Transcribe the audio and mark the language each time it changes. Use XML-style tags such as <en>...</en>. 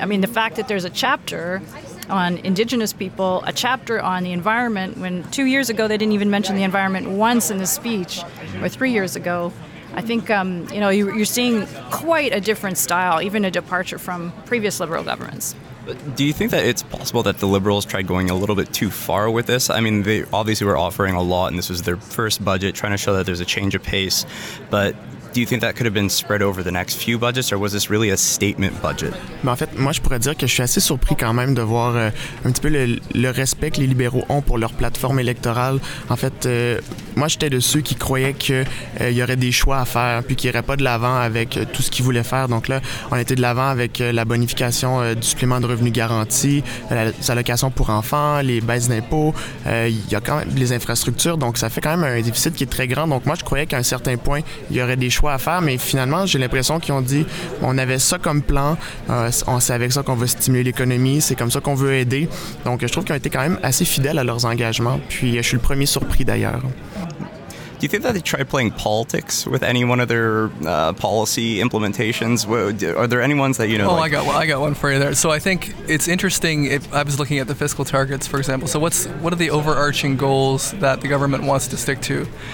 <en>I mean, the fact that there's a chapter on Indigenous people, a chapter on the environment, when 2 years ago they didn't even mention the environment once in the speech, or 3 years ago, I think, you know, you're seeing quite a different style, even a departure from previous Liberal governments. Do you think that it's possible that the Liberals tried going a little bit too far with this? I mean, they obviously were offering a lot, and this was their first budget, trying to show that there's a change of pace. But do you think that could have been spread over the next few budgets, or was this really a statement budget?</en> <fr>Mais en fait, moi, je pourrais dire que je suis assez surpris quand même de voir un petit peu le respect que les libéraux ont pour leur plateforme électorale. En fait, moi, j'étais de ceux qui croyaient qu'il y aurait des choix à faire, puis qu'il n'y aurait pas de l'avant avec tout ce qu'ils voulaient faire. Donc là, on était de l'avant avec la bonification du supplément de revenus garanti, les allocations pour enfants, les baisses d'impôts. Il y a quand même les infrastructures, donc ça fait quand même un déficit qui est très grand. Donc moi, je croyais qu'à un certain point, il y aurait des choix à faire, mais finalement, j'ai l'impression qu'ils ont dit on avait ça comme plan, c'est avec ça qu'on va stimuler l'économie, c'est comme ça qu'on veut aider. Donc, je trouve qu'ils ont été quand même assez fidèles à leurs engagements, puis je suis le premier surpris d'ailleurs.</fr> <en>Do you think that they try playing politics with any one of their policy implementations? Are there any ones that you know? Oh, like... I got one for you there. So I think it's interesting. If I was looking at the fiscal targets, for example, so what are the overarching goals that the government wants to stick to?</en>